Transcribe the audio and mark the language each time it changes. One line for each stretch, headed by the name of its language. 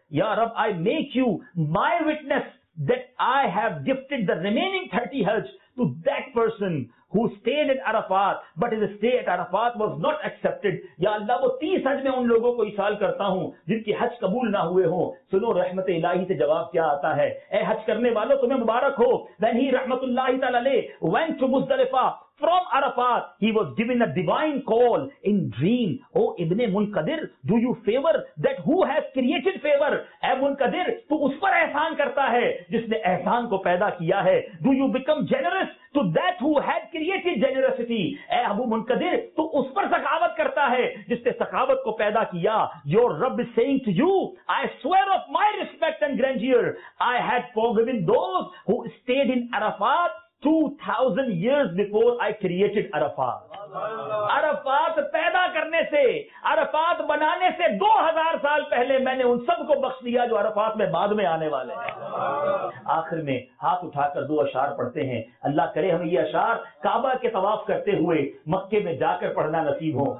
English: یا رب, I make you my witness that I have gifted the remaining 30 Hajj to that person who stayed at Arafat but his stay at Arafat was not accepted.
Urdu: Ya Allah, وہ 30 حج میں ان لوگوں کو ایصال کرتا ہوں جن کی حج قبول نہ ہوئے ہوں. سنو رحمت الہی سے جواب کیا آتا ہے, اے حج کرنے والوں تمہیں مبارک ہو.
English: When he رحمت اللہ تعالی علیہ went to Muzdalifah from Arafat, he was given a divine call in dream. O Ibn Munkadir, do you favor that who has created favor?
Urdu: اے منقدر, تو اس پر احسان کرتا ہے جس نے احسان کو پیدا کیا ہے.
English: Do you become generous to that who had created generosity?
Urdu: اے ابو منقدر, تو اس پر سخاوت کرتا ہے جس نے سخاوت کو پیدا کیا.
English: Your Rabb is saying to you, I swear of my respect and grandeur, I had forgiven those who stayed in Arafat 2,000 years before I created Arafat.
Urdu: Arafat پیدا کرنے سے, عرفات بنانے سے 2,000 سال پہلے میں نے ان سب کو بخش دیا جو عرفات میں بعد میں آنے والے ہیں. آخر میں ہاتھ اٹھا کر دو اشعار پڑھتے ہیں. اللہ کرے ہمیں یہ اشعار کعبہ کے طواف کرتے ہوئے مکے میں جا کر پڑھنا نصیب ہو.